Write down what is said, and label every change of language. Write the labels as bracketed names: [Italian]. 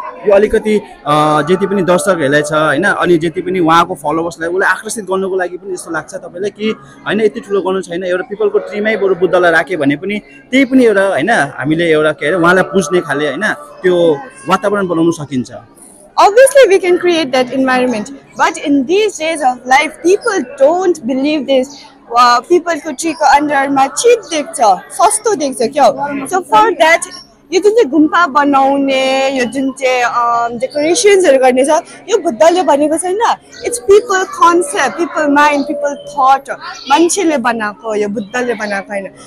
[Nepali] यो अलिकति जति पनि दर्शकहरूलाई छ होइन अनि जति पनि उहाँको फलोवर्सलाई उसलाई आकर्षित गर्नुको लागि पनि यस्तो लाग्छ तपाईँलाई कि होइन यति ठुलो गर्नु छैन, एउटा पिपलको ट्रीमै बरु बुद्धलाई राख्यो भने पनि त्यही पनि एउटा होइन हामीले एउटा के अरे उहाँलाई पुज्ने खाले होइन त्यो वातावरण बनाउन सकिन्छ. [English] Obviously we can create that environment, but in these days of life people don't believe this. [Nepali] पिपलको ट्रीको अन्डरमा चिप देख्छ, सस्तो देख्छ क्या. [English] so for that [Nepali] यो जुन चाहिँ गुम्पा बनाउने, यो जुन चाहिँ डेकोरेसन्सहरू गर्ने छ, यो बुद्धले भनेको छैन. [English] it's people concept, people mind, people thought, [Nepali] मान्छेले बनाएको, यो बुद्धले बनाएको होइन.